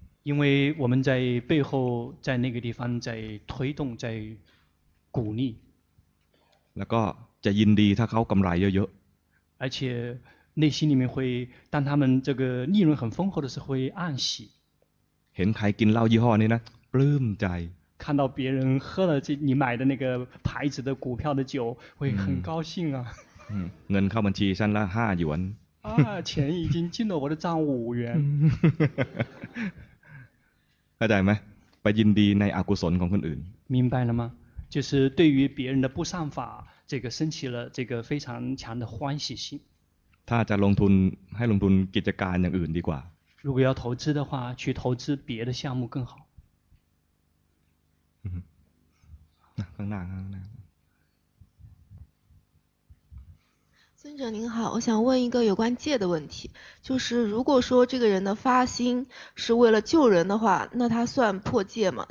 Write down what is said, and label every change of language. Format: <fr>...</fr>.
<zh>因为我们在背后在那个地方在推动在鼓励</zh> <th>แล้วก็จะยินดีถ้าเขากำไรเยอะ</th> <zh>ๆ而且内心里面会当他们这个利润很丰厚的时候会暗喜</zh> <th>เห็นใครกินเหล้ายี่ห้อนี้นะปลื้มใจ</th> <zh>看到别人喝了这你买的那个牌子的股票的酒会很高兴啊</zh> <th>เงินเข้าบัญชีฉันละ5หยวน</th> <zh>钱已经进了我的账5元</zh> <th>เข้าใจไหมไปยินดีในอกุศลของคนอื่น</th> <zh>明白了吗就是对于别人的不善法，这个升起了这个非常强的欢喜心。</zh> <th>他จะลงทุนให้ลงทุนกิจการอย่างอื่นดีกว่า。</th> <zh>如果要投资的话，去投资别的项目更好。嗯，很难很难。尊者您好，我想问一个有关戒的问题，就是如果说这个人的发心是为了救人的话，那他算破戒吗？</zh>